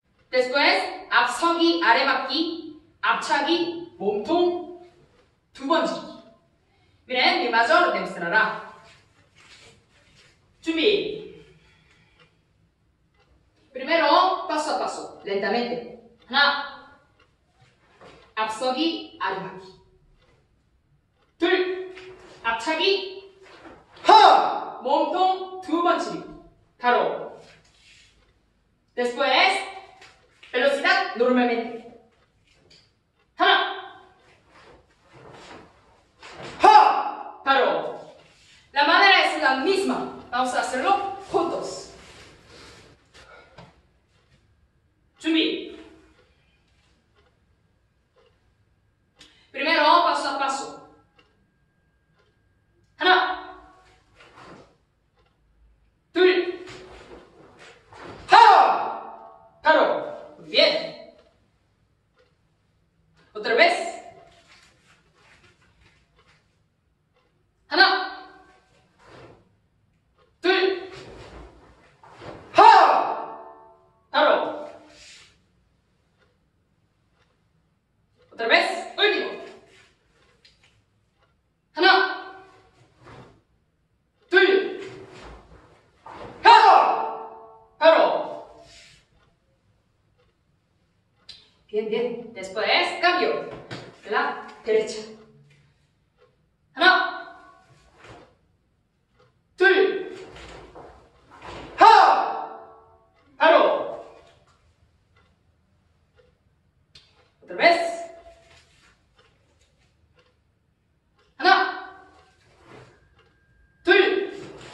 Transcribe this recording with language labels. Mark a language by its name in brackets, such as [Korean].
[Korean] después 앞서기 아래맞기 앞차기 몸통 두 번 지르기 [Spanish] miren mi mayor demostrará [Korean] 준비 [Spanish] primero paso a paso lentamente [Korean] 하나 앞서기 아래맞기 둘 앞차기 하 몸통 두 번 지르기 바로 [Spanish] después velocidad normalmente [Korean] 하나 하 [Spanish] 바로 la manera es la misma vamos a hacerlo juntos 준비 primero paso a paso [Korean] 하나 둘 하 [Spanish] 바로 muy bien otra vez [Korean] 하나 둘 하 [Spanish] 바로 otra vez último [Korean] 하나 둘 하 [Spanish] 바로 bien bien después cambio de la derecha [Korean] 하나 둘 하 [Spanish] 바로 otra vez [Korean] 하나 둘